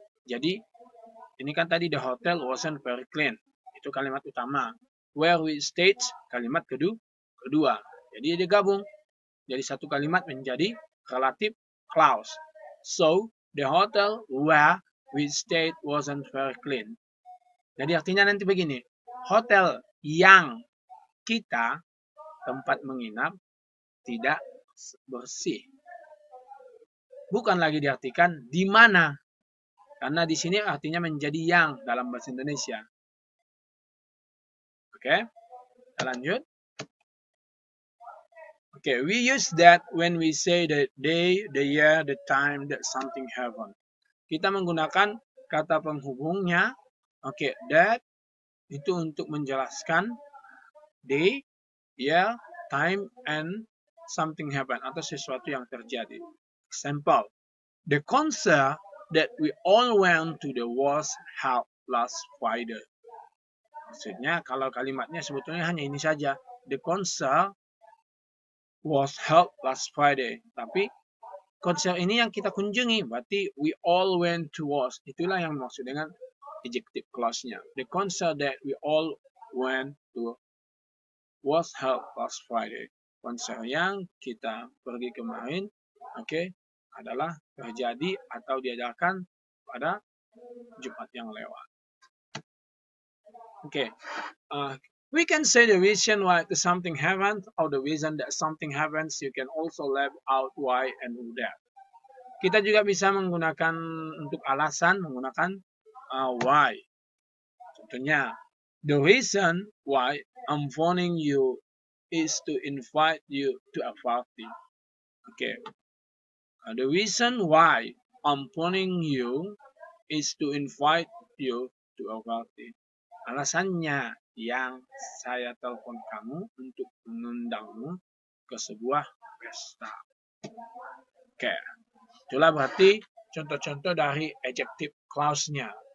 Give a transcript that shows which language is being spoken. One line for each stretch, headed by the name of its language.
Indonesian: Jadi ini kan tadi
English: the hotel wasn't very clean.
Indonesian: Itu kalimat utama.
English: Where we stayed,
Indonesian: kalimat kedua. Jadi dia gabung. Jadi satu kalimat menjadi relative clause.
English: So, the hotel where we stayed wasn't very clean.
Indonesian: Jadi artinya nanti begini. Hotel yang kita tempat menginap tidak bersih. Bukan lagi diartikan di mana. Karena di sini artinya menjadi yang dalam bahasa Indonesia. Oke, kita lanjut.
English: Okay, we use that when we say the day, the year, the time that something happened.
Indonesian: Kita menggunakan kata penghubungnya, okay, that itu untuk menjelaskan day, year, time,
English: and something happened
Indonesian: atau sesuatu yang terjadi.
English: Example, the concert that we all went to the was held last Friday.
Indonesian: Maksudnya kalau kalimatnya sebetulnya hanya ini saja,
English: the concert was held last Friday.
Indonesian: Tapi konser ini yang kita kunjungi, berarti
English: we all went to was.
Indonesian: Itulah yang maksud dengan adjective clause-nya.
English: The concert that we all went to was held last Friday.
Indonesian: Konser yang kita pergi kemarin, okay, adalah terjadi atau diadakan pada Jumat yang lewat.
English: Okay. We can say the reason why something happened or the reason that something happens. You can also leave out why and who that.
Indonesian: Kita juga bisa menggunakan untuk alasan menggunakan why.
English: Contohnya, the reason why I'm phoning you is to invite you to a party. Okay. The reason why I'm phoning you is to invite you to a party.
Indonesian: Alasannya yang saya telepon kamu untuk mengundangmu ke sebuah pesta. Oke. Itulah berarti contoh-contoh dari adjective clause-nya.